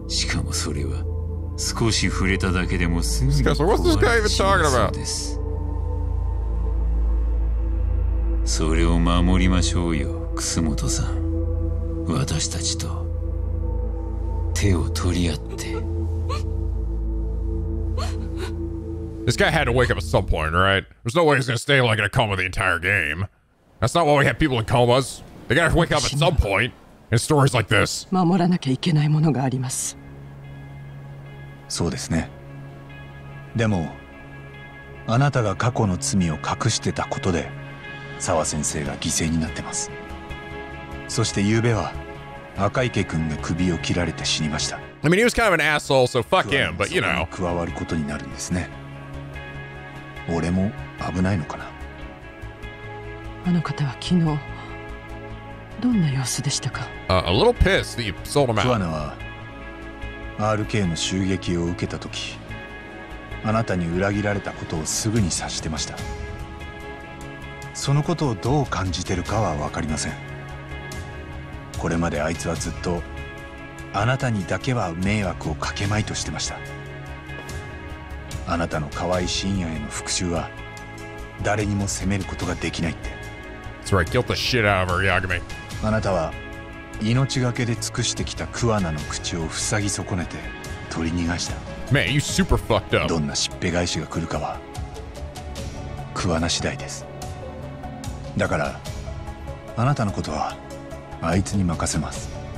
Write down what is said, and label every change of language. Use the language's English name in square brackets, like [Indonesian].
[Japanese] しかもそれは少し触れただけでもすぐに壊れてしまうんです。 [English] What's this guy even talking about? [Japanese] それを守りましょうよ、楠本さん。私たちと手を取り合って。 [English] This guy had to wake up at some point, right? There's no way he's gonna stay like in a coma the entire game. That's not why we have people in comas. They gotta wake up at some point. In stories like this. [Japanese] 守らなきゃいけないものがあります。そうですね。でも、あなたが過去の罪を隠してたことで、沢先生が犠牲になってます。そして昨夜は赤池君が首を切られて死にました。 [English] I mean, he was kind of an asshole, so fuck him, but you know. [Japanese] 加わることになるんですね。俺も危ないのかな。あの方は昨日どんな様子でしたか？ [English] A little pissed that you sold him out. [Japanese] 加奈は RK の襲撃を受けた時、あなたに裏切られたことをすぐに察してました。そのことをどう感じてるかは分かりません。これまであいつはずっとあなたにだけは迷惑をかけまいとしてました。あなたの可愛い深夜への復讐は誰にも責めることができないって。 [English] That's right, guilt the shit out of her, Yagami. [Japanese] あなたは命がけで尽くしてきたクワナの口を塞ぎ損ねて取り逃がした。 [English] Man, you super fucked up. [Japanese] どんなしっぺ返しが来るかはクワナ次第です。だから、あなたのことはあいつに任せます。